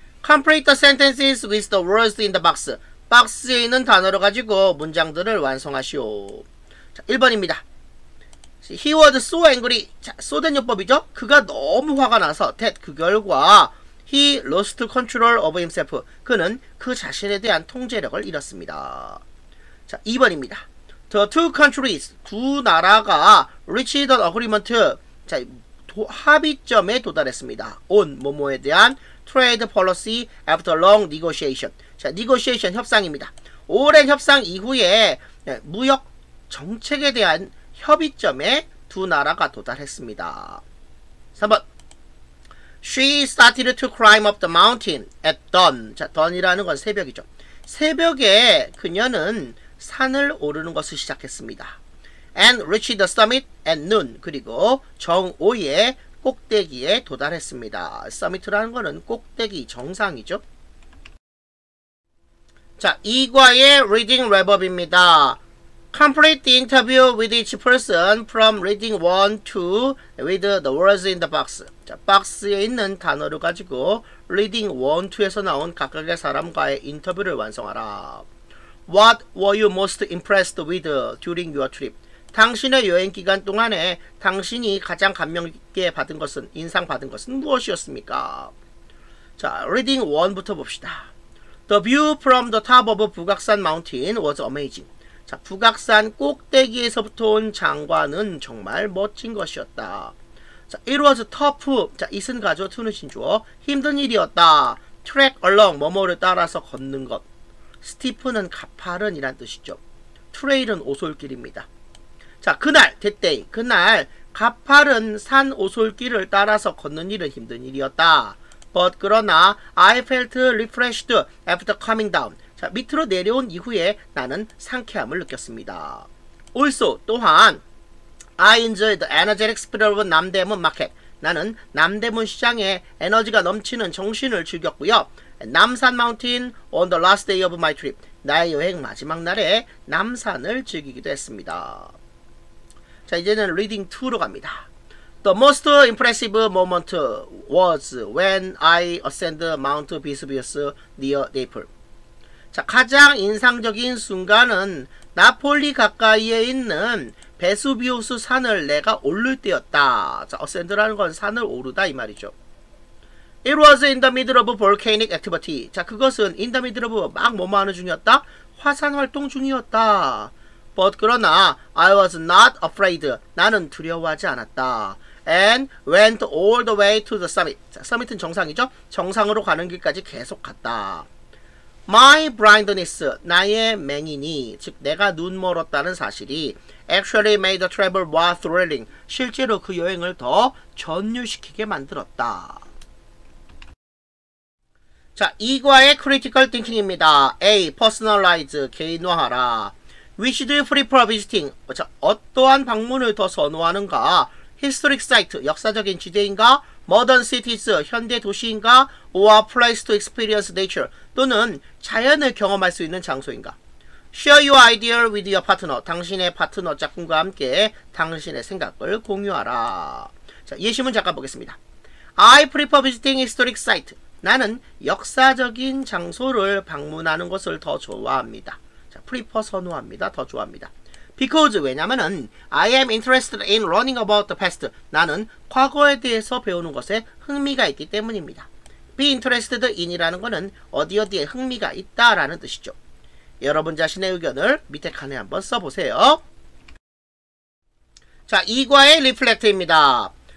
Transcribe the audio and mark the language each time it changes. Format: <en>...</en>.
<en>Complete the sentences with the words in the box.</en> <ko>박스에 있는 단어를 가지고 문장들을 완성하시오. 자, 1번입니다.</ko> <en>He was so angry.</en> <ko>자, so 된 요법이죠. 그가 너무 화가 나서 that 그 결과</ko> <en>he lost control of himself.</en> <ko>그는 그 자신에 대한 통제력을 잃었습니다. 자, 2번입니다.</ko> <en>The two countries.</en> <ko>두 나라가</ko> <en>reached an agreement.</en> <ko>자, 합의점에 도달했습니다.</ko> <en>On</en> <ko>뭐뭐에 대한</ko> <en>trade policy after long negotiation.</en> <ko>자, negotiation 협상입니다. 오랜 협상 이후에 무역 정책에 대한 협의점에 두 나라가 도달했습니다. 3번.</ko> <en>She started to climb up the mountain at dawn.</en> <ko>자, dawn이라는 건 새벽이죠. 새벽에 그녀는 산을 오르는 것을 시작했습니다.</ko> <en>And reached the summit at noon.</en> <ko>그리고 정오에 꼭대기에 도달했습니다. Summit라는 거는 꼭대기 정상이죠. 자, 2과의 reading reverb입니다.</ko> <en>Complete the interview with each person from reading 1, 2 with the words in the box.</en> <ko>자, 박스에 있는 단어를 가지고 reading 1, 2에서 나온 각각의 사람과의 인터뷰를 완성하라.</ko> <en>What were you most impressed with during your trip?</en> <ko>당신의 여행 기간 동안에 당신이 가장 감명 깊게 받은 것은, 인상 받은 것은 무엇이었습니까? 자, reading 1부터 봅시다.</ko> <en>The view from the top of 북악산 mountain was amazing.</en> <ko>자, 북악산 꼭대기에서부터 온 장관은 정말 멋진 것이었다. 자,</ko> <en>it was tough.</en> <ko>자, it은 가죠. to는 신조어. 힘든 일이었다. track along, 뭐뭐를 따라서 걷는 것. steep는 가파른 이란 뜻이죠. trail은 오솔길입니다. 자, 그날,</ko> <en>that day,</en> <ko>그날 가파른 산 오솔길을 따라서 걷는 일은 힘든 일이었다.</ko> <en>But 그러나 I felt refreshed after coming down.</en> <ko>자, 밑으로 내려온 이후에 나는 상쾌함을 느꼈습니다. Also, 또한</ko> <en>I enjoy the energetic spirit of 남대문 마켓.</en> <ko>나는 남대문 시장에 에너지가 넘치는 정신을 즐겼고요.</ko> <en>남산 마운틴 on the last day of my trip.</en> <ko>나의 여행 마지막 날에 남산을 즐기기도 했습니다. 자, 이제는 reading 2로 갑니다.</ko> <en>The most impressive moment was when I ascended Mount Vesuvius near Naples.</en> <ko>자, 가장 인상적인 순간은 나폴리 가까이에 있는 베수비우스 산을 내가 오를 때였다. 자, ascend라는 건 산을 오르다 이 말이죠.</ko> <en>It was in the middle of volcanic activity.</en> <ko>자, 그것은</ko> <en>in the middle of</en> <ko>막 뭐뭐하는 중이었다. 화산 활동 중이었다.</ko> <en>But 그러나 I was not afraid.</en> <ko>나는 두려워하지 않았다.</ko> <en>And went all the way to the summit.</en> <ko>자, summit은 정상이죠. 정상으로 가는 길까지 계속 갔다.</ko> <en>My blindness,</en> <ko>나의 맹인이, 즉 내가 눈 멀었다는 사실이</ko> <en>actually made the travel more thrilling.</en> <ko>실제로 그 여행을 더 전율시키게 만들었다. 자, 이과의 critical thinking입니다. A. personalize, 개인화하라.</ko> <en>We should prefer visiting.</en> <ko>자, 어떠한 방문을 더 선호하는가?</ko> <en>Historic site,</en> <ko>역사적인 지대인가?</ko> <en>Modern cities,</en> <ko>현대 도시인가?</ko> <en>Or place to experience nature,</en> <ko>또는 자연을 경험할 수 있는 장소인가?</ko> <en>Share your idea with your partner,</en> <ko>당신의 파트너 짝꿍과 함께 당신의 생각을 공유하라. 자, 예시문 잠깐 보겠습니다.</ko> <en>I prefer visiting historic site.</en> <ko>나는 역사적인 장소를 방문하는 것을 더 좋아합니다. 자, prefer 선호합니다. 더 좋아합니다.</ko> <en>Because,</en> <ko>왜냐면은,</ko> <en>I am interested in learning about the past.</en> <ko>나는 과거에 대해서 배우는 것에 흥미가 있기 때문입니다. Be interested in이라는 것은 어디 어디에 흥미가 있다라는 뜻이죠. 여러분 자신의 의견을 밑에 칸에 한번 써보세요. 자, 2과의 리플렉트입니다.</ko>